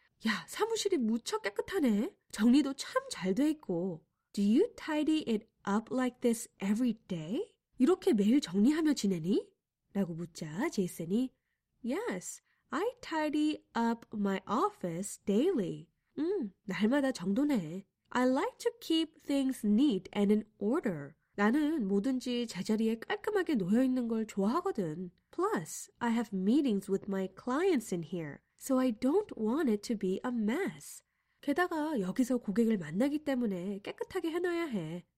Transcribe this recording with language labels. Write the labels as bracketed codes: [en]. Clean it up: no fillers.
[ko] 야, 사무실이 무척 깨끗하네. 정리도 참 잘 돼 있고. [en] Do you tidy it up like this every day? [ko] 이렇게 매일 정리하며 지내니? 라고 묻자 제이슨이 [en] Yes, I tidy up my office daily. [ko] 날마다 정돈해. [en] I like to keep things neat and in order. [ko] 나는 뭐든지 제자리에 깔끔하게 놓여 있는 걸 좋아하거든. [en] Plus, I have meetings with my clients in here, so I don't want it to be a mess. [ko] 게다가 여기서 고객을 만나기 때문에 깨끗하게 해놔야 해.